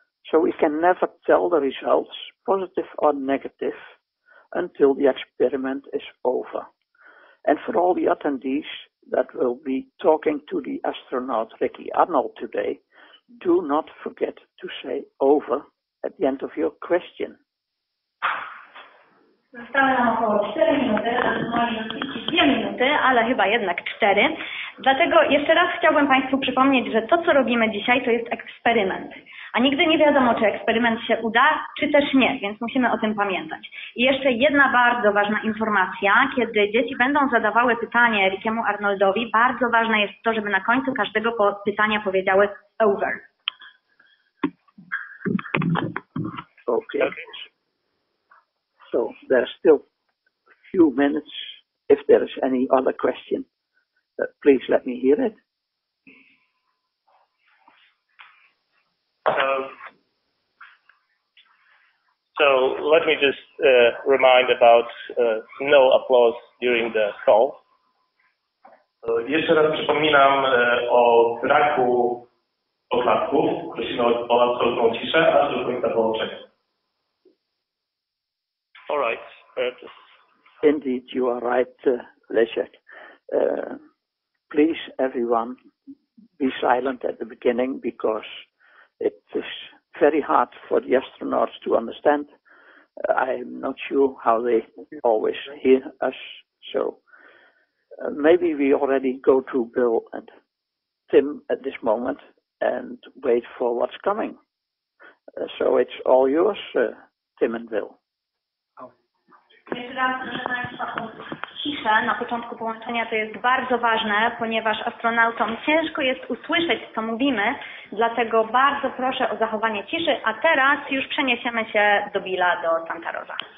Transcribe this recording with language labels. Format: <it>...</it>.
<en>So we can never tell the results, positive or negative, until the experiment is over. And for all the attendees that will be talking to the astronaut Ricky Arnold today, do not forget to say over at the end of your question.</en> <pl>Zostały nam około 4 minuty, ale mamy 2 minuty, ale chyba jednak 4. Dlatego jeszcze raz chciałbym Państwu przypomnieć, że to, co robimy dzisiaj, to jest eksperyment. A nigdy nie wiadomo, czy eksperyment się uda, czy też nie, więc musimy o tym pamiętać. I jeszcze jedna bardzo ważna informacja. Kiedy dzieci będą zadawały pytanie Rickiemu Arnoldowi, bardzo ważne jest to, żeby na końcu każdego pytania powiedziały over.</pl> <en>Okay. So there are still a few minutes. If there is any other question, please let me hear it. So let me just remind about no applause during the call.</en> <pl>Jeszcze raz przypominam o braku oklasków. Prosimy o absolutną ciszę aż do końca połączenia.</pl> <en>All right. Indeed, you are right, Leszek. Please, everyone, be silent at the beginning because it is very hard for the astronauts to understand. I'm not sure how they always hear us. So maybe we already go to Bill and Tim at this moment and wait for what's coming. So it's all yours, Tim and Bill.</en> <pl>Jeszcze raz, proszę Państwa, cisza na początku połączenia to jest bardzo ważne, ponieważ astronautom ciężko jest usłyszeć, co mówimy, dlatego bardzo proszę o zachowanie ciszy, a teraz już przeniesiemy się do Billa, do Santa Rosa.</pl>